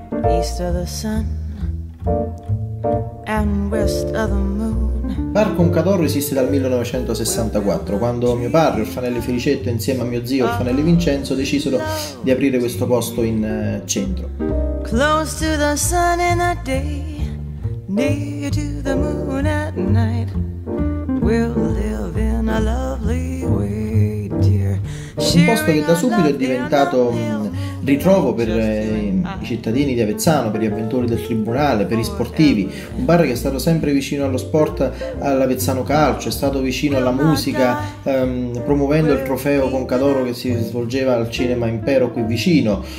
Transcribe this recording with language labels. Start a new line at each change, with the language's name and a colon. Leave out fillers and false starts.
English: east of the sun and west of the moon.
Italian: Parco Un Cadorro esiste dal 1964, quando mio padre, Orfanelli Felicetto, insieme a mio zio, Orfanelli Vincenzo, decisero di aprire questo posto in centro.
English: Close to the sun in the day, near to the moon at night, we'll live in a lovely way.
Italian: Un posto che da subito è diventato ritrovo per i cittadini di Avezzano, per gli avventori del tribunale, per gli sportivi. Un bar che è stato sempre vicino allo sport, all'Avezzano Calcio, è stato vicino alla musica, promuovendo il trofeo Concadoro che si svolgeva al cinema Impero qui vicino.